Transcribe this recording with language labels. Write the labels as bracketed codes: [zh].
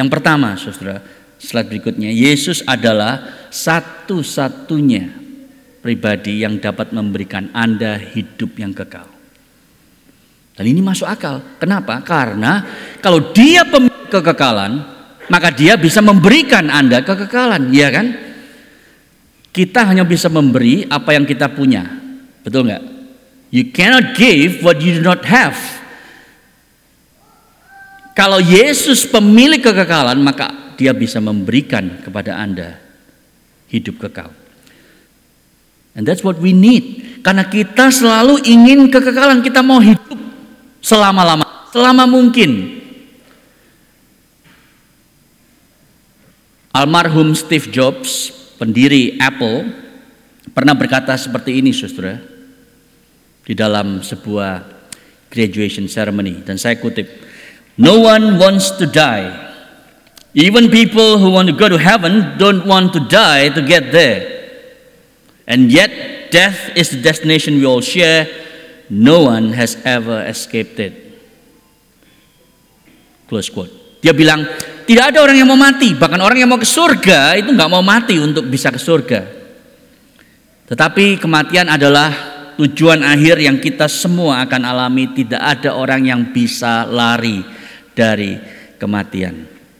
[id] Yang pertama, Saudara, slide berikutnya. Yesus adalah satu-satunya pribadi yang dapat memberikan Anda hidup yang kekal. Dan ini masuk akal. Kenapa? Karena kalau Dia pemilik kekekalan, maka Dia bisa memberikan Anda kekekalan, ya kan? Kita hanya bisa memberi apa yang kita punya. Betul enggak? [en] You cannot give what you do not have. [id] Kalau Yesus pemilik kekekalan, maka Dia bisa memberikan kepada Anda hidup kekal. [en] And that's what we need. [id] Karena kita selalu ingin kekekalan, kita mau hidup selama-lamanya, selama mungkin. Almarhum Steve Jobs, pendiri Apple, pernah berkata seperti ini, Saudara, di dalam sebuah graduation ceremony, dan saya kutip, [en] "No one wants to die. Even people who want to go to heaven don't want to die to get there. And yet, death is the destination we all share. No one has ever escaped it." Close quote. [id] Dia bilang, tidak ada orang yang mau mati. Bahkan orang yang mau ke surga, itu gak mau mati untuk bisa ke surga. Tetapi kematian adalah tujuan akhir yang kita semua akan alami. Tidak ada orang yang bisa lari dari kematian.